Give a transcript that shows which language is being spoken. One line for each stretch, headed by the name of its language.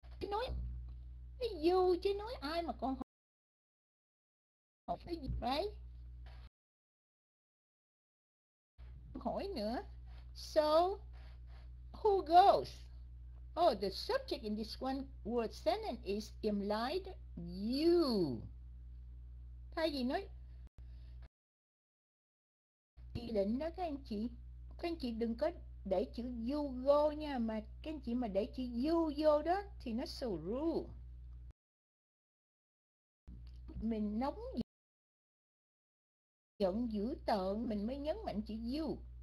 Vietnamese: Nói cái dù chứ nói ai mà con cái gì đấy hỏi nữa.
English: So who goes? Oh, the subject in this one word sentence is implied you.
Vietnamese: Thay vì nói chị định đó, các anh chị đừng có để chữ
English: you go
Vietnamese: nha, mà các anh chị mà để chữ you vô đó thì nó
English: so rude.
Vietnamese: Mình nóng giận dữ tợn mình mới nhấn mạnh chữ you.